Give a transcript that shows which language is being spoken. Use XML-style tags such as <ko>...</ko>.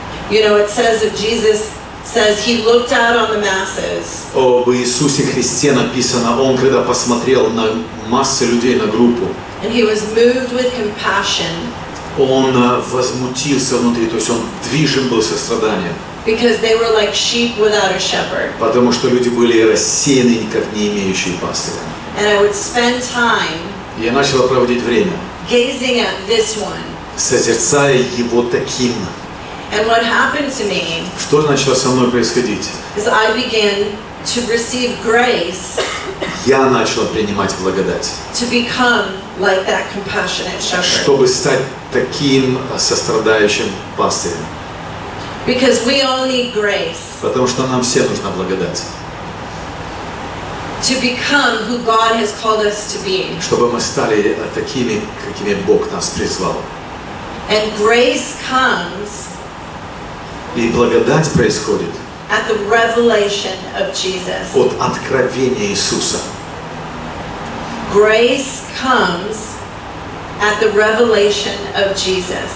<en>You know, it says of Jesus, says he looked out on the masses.</en> <ru>Об Иисусе Христе написано, он когда посмотрел на массы людей, на группу,</ru> <en>and he was moved with compassion.</en> <ru>Он возмутился внутри, то есть он движим был состраданием.</ru> <en>Because they were like sheep without a shepherd.</en> <ru>Потому что люди были рассеяны, как не имеющие пастыря.</ru> <en>And I would spend time.</en> <ru>Я начал проводить время.</ru> <en>Gazing at this one.</en> <ru>Созерцая его таким.</ru> <en>And what happened to me?</en> <ru>Что начало со мной происходить?</ru> <en>Is I began to receive grace.</en> <ru>Я начал принимать благодать.</ru> <en>To become like that compassionate shepherd.</en> <ru>Чтобы стать таким сострадающим пастырем.</ru> <en>Because we all need grace.</en> <ru>Потому что нам всем нужна благодать.</ru> <en>To become who God has called us to be.</en> <ru>Чтобы мы стали такими, какими Бог нас призвал.</ru> <en>And grace comes.</en> <ru>И благодать происходит.</ru> <en>At the revelation of Jesus.</en> <ru>От откровения Иисуса.</ru> <en>Grace comes. At the revelation of Jesus.</en>